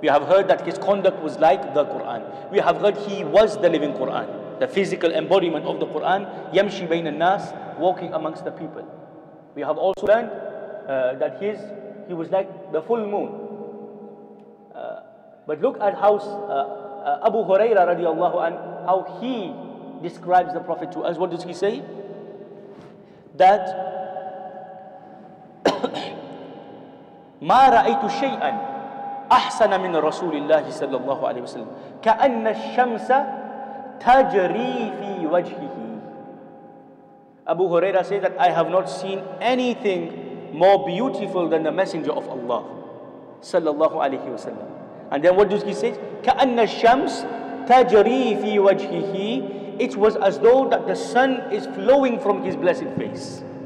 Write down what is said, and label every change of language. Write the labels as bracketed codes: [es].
[en] We have heard that his conduct was like the Quran. We have heard he was the living Quran, the physical embodiment of the Quran, [ar] yamshi bayna nas, [en] walking amongst the people. We have also learned that he was like the full moon. But look at how Abu Huraira radiallahu an, how he describes the Prophet to us. What does he say? That [ar] ما رأيت شيئا أحسن من رسول الله صلى الله عليه وسلم كأن الشمس تجري في وجهه. [en] Abu Huraira said that I have not seen anything more beautiful than the Messenger of Allah sallallahu alayhi wa sallam. And then what does he say? [ar] كَأَنَّ الشَّمْسِ تَجْرِي فِي وَجْهِهِ. [en] It was as though that the sun is flowing from his blessed face.